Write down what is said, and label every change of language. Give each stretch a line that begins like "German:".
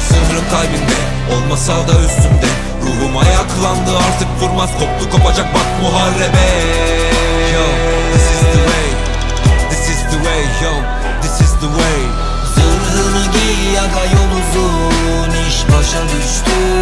Turkish: Sırrım kalbimde, olmasa da üstümde. Ruhum ayaklandı, artık durmaz. Koptu kopacak bak muharebe.
English: Yo, this is the way, this is the way, yo, this is the way.
Turkish: Zırhını giy aga, yol uzun, iş başa düştü.